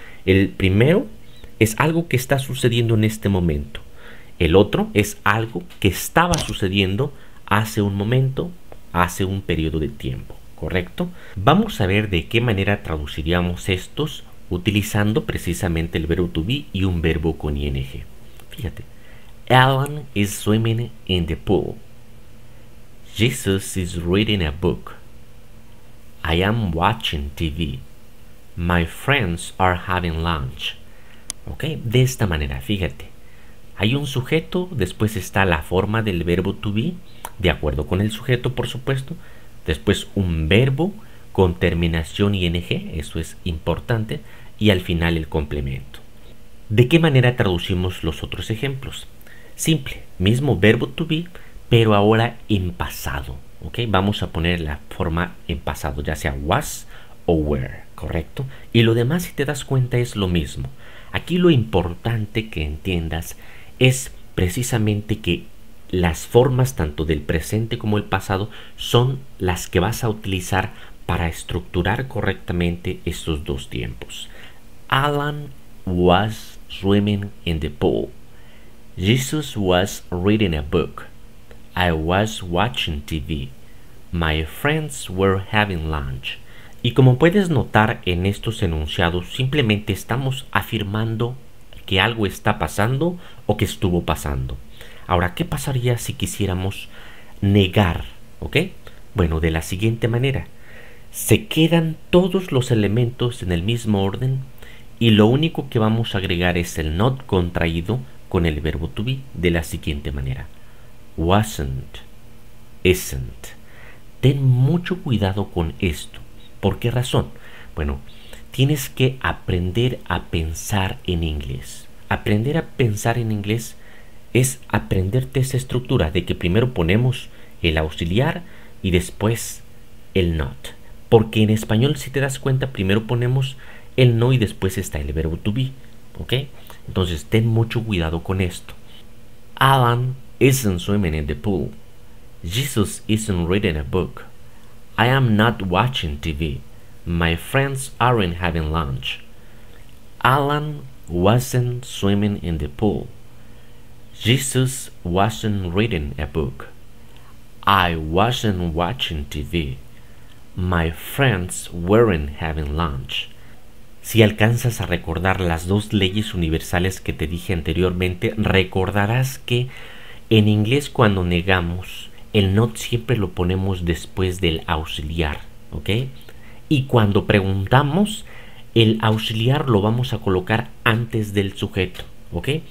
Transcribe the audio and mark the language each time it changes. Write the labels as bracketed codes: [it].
[es] El primero es algo que está sucediendo en este momento. El otro es algo que estaba sucediendo hace un momento, hace un periodo de tiempo, ¿correcto? Vamos a ver de qué manera traduciríamos estos utilizando precisamente el verbo to be y un verbo con ing. Fíjate. [en] Alan is swimming in the pool. Jesus is reading a book. I am watching TV. My friends are having lunch. [es] Ok, de esta manera, fíjate. Hay un sujeto, después está la forma del verbo to be, de acuerdo con el sujeto, por supuesto. Después un verbo con terminación ing, eso es importante. Y al final el complemento. ¿De qué manera traducimos los otros ejemplos? Simple, mismo verbo to be, pero ahora en pasado. ¿Ok? Vamos a poner la forma en pasado, ya sea was o were, ¿correcto? Y lo demás, si te das cuenta, es lo mismo. Aquí lo importante que entiendas es precisamente que las formas tanto del presente como el pasado son las que vas a utilizar para estructurar correctamente estos dos tiempos. [en] Alan was swimming in the pool. Jesus was reading a book. I was watching TV. My friends were having lunch. [es] Y como puedes notar en estos enunciados, simplemente estamos afirmando que algo está pasando o que estuvo pasando. Ahora, ¿qué pasaría si quisiéramos negar? ¿Ok? Bueno, de la siguiente manera. Se quedan todos los elementos en el mismo orden y lo único que vamos a agregar es el not contraído con el verbo to be de la siguiente manera. [en] Wasn't, isn't. [es] Ten mucho cuidado con esto. ¿Por qué razón? Bueno, tienes que aprender a pensar en inglés. Aprender a pensar en inglés es aprenderte esa estructura de que primero ponemos el auxiliar y después el not. Porque en español, si te das cuenta, primero ponemos el no y después está el verbo to be. ¿Ok? Entonces, ten mucho cuidado con esto. [en] Alan isn't swimming in the pool. Jesus isn't reading a book. I am not watching TV. My friends aren't having lunch. Alan wasn't swimming in the pool. Jesus wasn't reading a book. I wasn't watching TV. My friends weren't having lunch. [es] Si alcanzas a recordar las dos leyes universales que te dije anteriormente, recordarás que en inglés cuando negamos, el not siempre lo ponemos después del auxiliar, ¿ok? Y cuando preguntamos, el auxiliar lo vamos a colocar antes del sujeto, ¿ok?